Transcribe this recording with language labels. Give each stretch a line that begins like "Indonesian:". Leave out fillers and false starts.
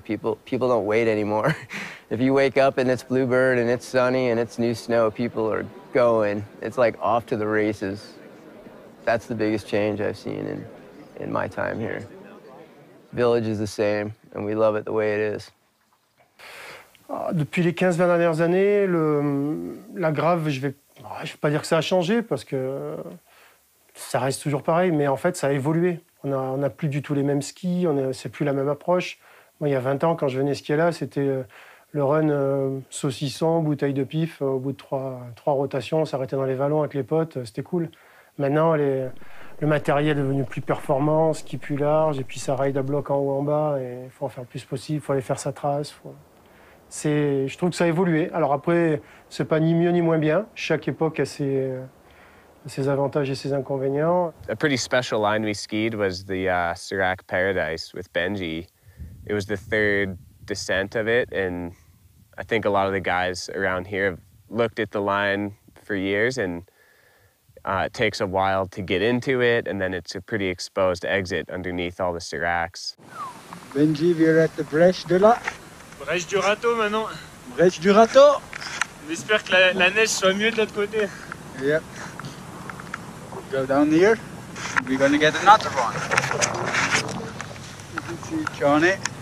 English: People don't wait anymore. If you wake up and it's bluebird and it's sunny and it's new snow, people are going. It's like off to the races. That's the biggest change I've seen in my time here. Village is the same, and we love it the way it is.
French: Depuis les 15-20 dernières années, la grave, je vais pas dire que ça a changé, parce que... ça reste toujours pareil, mais en fait, ça a évolué. On n'a plus du tout les mêmes skis, c'est plus la même approche. Moi, il y a 20 ans, quand je venais skier là, c'était le run saucisson, bouteille de pif. Au bout de trois rotations, on s'arrêtait dans les vallons avec les potes, c'était cool. Maintenant, le matériel est devenu plus performant, ski plus large, et puis ça ride à bloc en haut en bas, et il faut en faire le plus possible, il faut aller faire sa trace. Je trouve que ça a évolué. Alors après, c'est pas ni mieux ni moins bien. Chaque époque a ses avantages et ses inconvénients.
English: A pretty special line we skied was the Sirac Paradise with Benji. It was the third descent of it, and I think a lot of the guys around here have looked at the line for years, and it takes a while to get into it, and then it's a pretty exposed exit underneath all the Siracs. Benji, we're at the Brèche de la...
French: Brèche du Râteau, maintenant. Brèche du Râteau. On espère que la neige soit mieux de l'autre côté.
English: Yep. Go down here, we're gonna get another one. You can see Johnny.